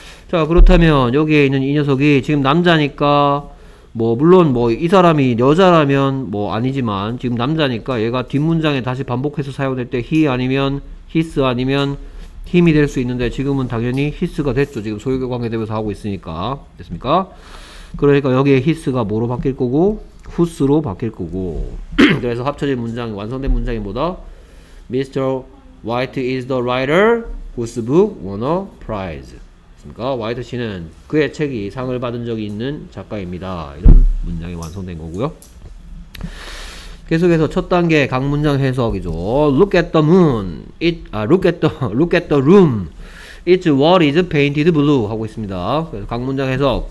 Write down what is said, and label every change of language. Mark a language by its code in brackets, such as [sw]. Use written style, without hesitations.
[ko] 자, 그렇다면 여기에 있는 이 녀석이 지금 남자니까, 뭐 물론 뭐 이 사람이 여자라면 뭐 아니지만 지금 남자니까 얘가 뒷문장에 다시 반복해서 사용될 때 he 아니면 his 아니면 힘이 될 수 있는데 지금은 당연히 히스가 됐죠. 지금 소유격 관계대명사 하고 있으니까. 됐습니까? 그러니까 여기에 히스가 뭐로 바뀔 거고? 후스로 바뀔 거고. 그래서 합쳐진 문장, 완성된 문장이 뭐다? [en] Mr. White is the writer whose book won a prize. [ko] 됐습니까? White 씨는 그의 책이 상을 받은 적이 있는 작가입니다. 이런 문장이 완성된 거고요. 계속해서 첫 단계 각 문장 해석이죠. [en] Look at the moon. Look at the room. Its wall is painted blue [ko] 하고 있습니다. 그래서 각 문장 해석.